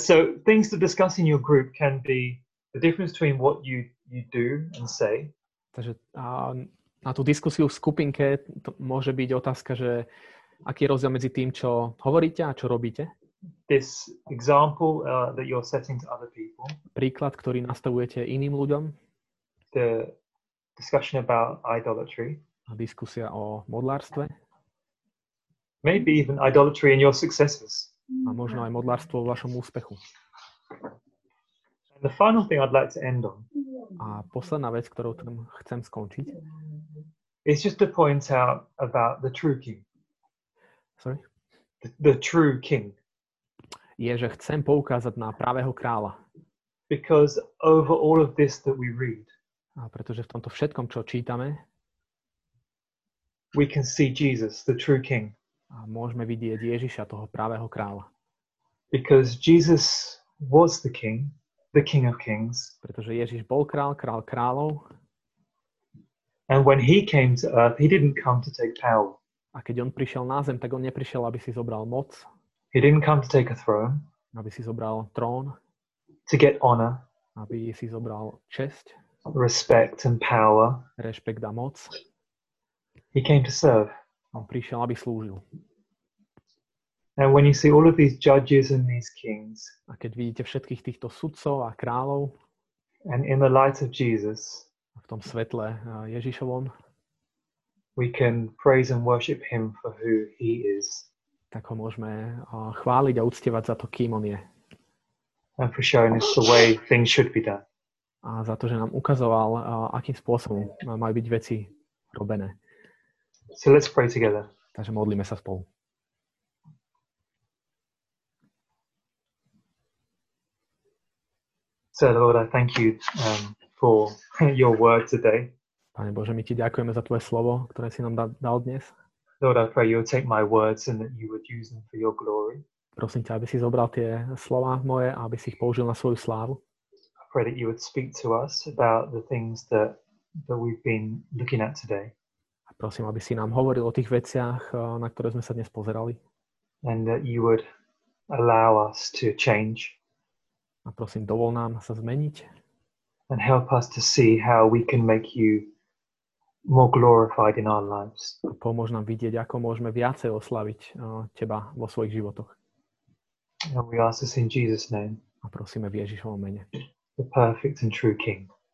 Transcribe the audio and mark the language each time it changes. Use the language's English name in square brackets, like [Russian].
[English] So things to discuss in your group can be the difference between what you do and say. [Slovak] Takže na tú diskusiu v skupinke to môže byť otázka, že aký je rozdiel medzi tým, čo hovoríte a čo robíte. [English] This example that you're setting to other people. [Slovak] Príklad, ktorý nastavujete iným ľuďom. [English] The discussion about idolatry. [Slovak] A diskusia o modlárstve. [English] Maybe even idolatry in your successes. [Slovak] A možno aj modlárstvo v vašom úspechu. [English] And the final thing I'd like to end on. [Slovak] A posledná vec, ktorou chcem skončiť. [English] It's just to point out about the true king. Sorry? The true king. [Slovak] Je, že chcem poukázať na pravého kráľa. [English] Because over all of this that we read. [Slovak] A pretože v tomto všetkom, čo čítame, [English] we can see Jesus, the true king. [Slovak] A môžeme vidieť Ježiša, toho pravého kráľa. [English] Because Jesus was the king of kings. [Slovak] Pretože Ježiš bol král, král kráľov. [English] And when he came to earth, he didn't come to take power. [Slovak] A keď on prišiel na zem, tak on neprišiel, aby si zobral moc. [English] He didn't come to take a throne. [Slovak] Aby si zobral trón. [English] To get honor. [Slovak] Aby si zobral česť. [English] Respect and power. [Slovak] Rešpekt a moc. [English] He came to serve. [Slovak] On prišiel, aby slúžil. [English] And when you see all of these judges and these kings, [Slovak] a keď vidíte všetkých týchto sudcov a kráľov, [English] and in the light of Jesus, [Slovak] v tom svetle Ježišovom, [English] we can praise and worship him for who he is. [Slovak] Tak ho môžeme chváliť a uctievať za to, kým on je. [English] And for showing us the way things should be done. [Slovak] A za to, že nám ukazoval, akým spôsobom majú byť veci robené. [English] So let's pray together. [Slovak] Takže modlíme sa spolu. [English] So Lord, I thank you for your word today. [Slovak] Pane Bože, my ti ďakujeme za tvoje slovo, ktoré si nám dal dnes. [English] Lord, I pray you would take my words and that you would use them for your glory. [Slovak] Prosím ťa, aby si zobral tie slova moje a aby si ich použil na svoju slávu. [English] I pray that you would speak to us about the things that we've been looking at today. [Slovak] Prosím, aby si nám hovoril o tých veciach, na ktoré sme sa dnes pozerali. [English] And that you would allow us to change. [Slovak] A prosím, dovol nám sa zmeniť. [English] And help us to see how we can make you more glorified in our lives. [Slovak] A pomôž nám vidieť, ako môžeme viacej oslaviť teba vo svojich životoch. [English] And we ask this in Jesus' name. [Slovak] A prosíme v Ježišovom mene. [English] The perfect and true king.